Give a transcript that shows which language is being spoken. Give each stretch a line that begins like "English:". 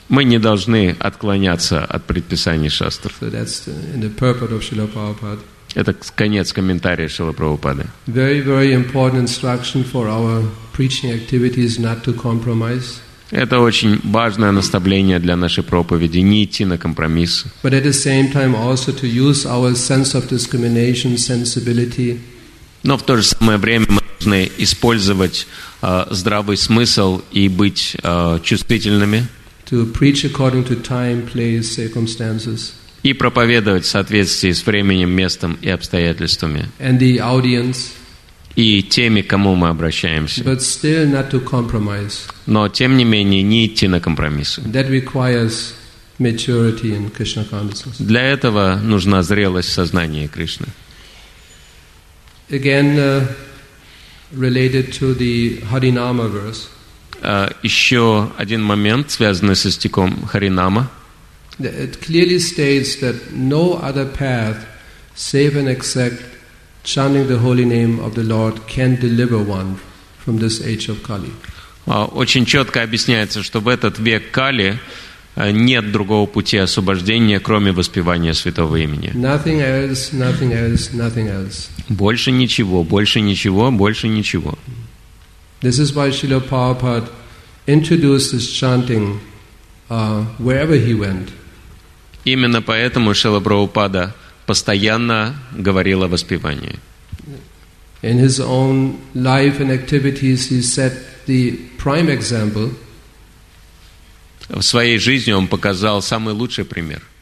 Russian: Мы не должны отклоняться от предписаний Шастр.
English: So that's in the purport of Srila Prabhupada.
Russian: Это конец комментария Шрилы Прабхупады.
English: Very, very important instruction for our preaching activities not to compromise.
Russian: Это очень важное наставление для нашей проповеди – не идти на компромиссы.
English: But at the same time also to use our sense of discrimination, sensibility.
Russian: Но в то же самое время мы должны использовать здравый смысл и быть чувствительными.
English: To preach according to time, place, circumstances.
Russian: И проповедовать в соответствии с временем, местом и обстоятельствами.
English: And the audience.
Russian: И теми, к кому мы обращаемся.
English: But still not to compromise.
Russian: Но, тем не менее, не идти на компромиссы.
English: That requires maturity in Krishna consciousness.
Russian: Для этого нужна зрелость в сознании Кришны.
English: Again, related to the Harinama verse.
Russian: Еще один момент, связанный со стихом Харинама.
English: It clearly states that no other path save and except chanting the holy name of the Lord can deliver one from this age of Kali.
Russian: Очень четко объясняется, что в этот век Кали нет другого пути освобождения, кроме воспевания святого имени.
English: Nothing else, nothing else, nothing else.
Russian: Больше ничего, больше ничего, больше ничего.
English: This is why Srila Prabhupada introduced this chanting wherever he went.
Russian: Именно поэтому Шрила Прабхупада постоянно говорил о воспевании.
English: In his own life and activities, he set the prime example.
Russian: В своей жизни он показал самый лучший пример.